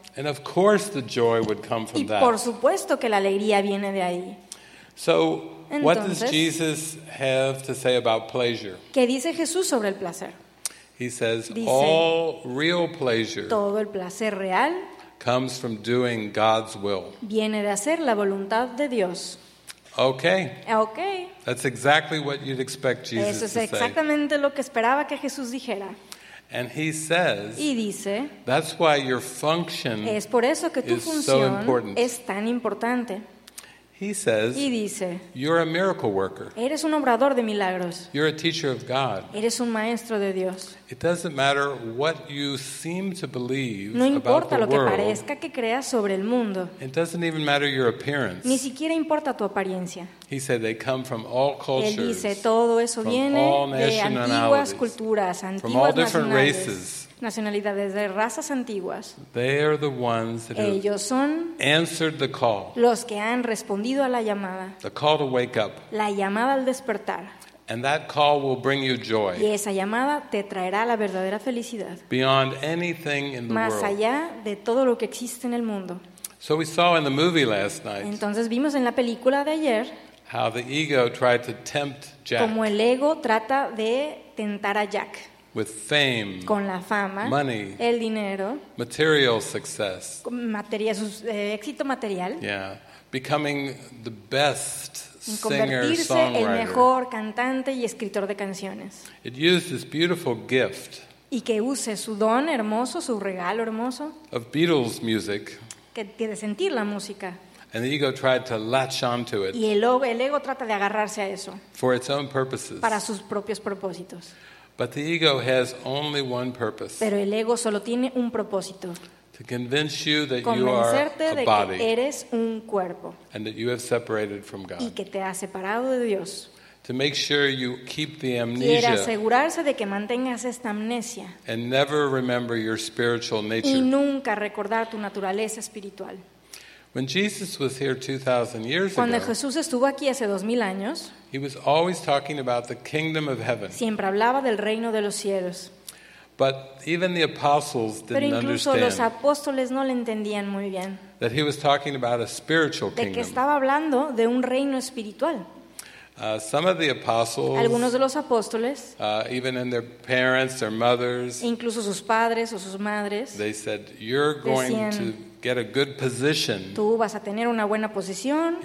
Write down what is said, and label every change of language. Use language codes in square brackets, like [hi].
[en] And of course the joy would come from that. [es] Y por supuesto que la alegría viene de ahí. [en] So, [es] entonces, [en] what does Jesus have to say about pleasure? [es] ¿Qué dice Jesús sobre el placer? [en] He says, [es] dice, [en] all real pleasure, [es] todo el placer real, [en] comes from doing God's will. [es] Viene de hacer la voluntad de Dios. [en] Okay. Okay. That's exactly what you'd expect Jesus to say. [es] Eso es exactamente lo que esperaba que Jesús dijera. [en] And he says, [es] y dice, [en] that's why your function [es] es por eso que tu [en] is [es] función [en] so important. [es] Es tan importante. [en] He says, [es] y dice, [en] you're a miracle worker. [es] Eres un obrador de milagros. [en] You're a teacher of God. [es] Eres un maestro de Dios. [en] It doesn't matter what you seem to believe [es] no importa [en] about the [es] lo que [en] world. [es] Parezca que creas sobre el mundo. [en] It doesn't even matter your appearance. [es] Ni siquiera importa tu apariencia. [en] He said they come from all cultures. [es] Él dice, todo eso [en] from [es] viene [en] all nationalities, [es] de antiguas culturas, antiguas [en] from all different races. [es] Nacionalidades de razas antiguas. [en] They are the ones that [es] ellos son [en] answered the call. [es] Los que han respondido a la llamada. [en] The call to wake up. [es] La llamada al despertar. [en] And that call will bring you joy. [es] Y esa llamada te traerá la verdadera felicidad. [en] Beyond anything in the [es] más [en] world. [es] Allá de todo lo que existe en el mundo. [en] So we saw in the movie last night. [es] Entonces vimos en la película de ayer. [en] How the ego tried to tempt Jack. [es] Como el ego trata de tentar a Jack. [en] With fame, [es] con la fama, [en] money, [es] el dinero, [en] material success, [es] material, éxito material, [en] yeah, becoming the best singer, songwriter, [es] el mejor cantante y escritor de canciones. [en] It used this beautiful gift, [es] y que use su don hermoso, su regalo hermoso, [en] of Beatles music, [es] que tiene sentir la música. [en] And the ego tried to latch onto it, [es] y el ego trata de agarrarse a eso, [en] for its own purposes, [es] para sus propios propósitos. [en] But the ego has only one purpose. [es] Pero el ego solo tiene un propósito. [en] To convince you that you are a body. [es] Convencerte de que eres un cuerpo. [en] And that you have separated from God. [es] Y que te has separado de Dios. [en] To make sure you keep the amnesia. [es] Quiere asegurarse de que mantengas esta amnesia. [en] And never remember your spiritual nature. [es] Y nunca recordar tu naturaleza espiritual. [en] When Jesus was here 2,000 years [es] cuando [en] ago, [es] Jesús estuvo aquí hace 2,000 años, [en] he was always talking about the kingdom of heaven. [es] Siempre hablaba del reino de los cielos. [en] But even the apostles didn't [es] pero incluso [en] understand [es] los apóstoles no le entendían muy bien [en] that he was talking about a spiritual kingdom. [es] De que estaba hablando de un reino espiritual. [en] Some of the apostles, [es] algunos de los apóstoles, [en] even in their parents, their mothers, [es] incluso sus padres o sus madres, [en] they said, "You're going [es] decían, [en] to get a good position." [es] Tú vas a tener una buena posición.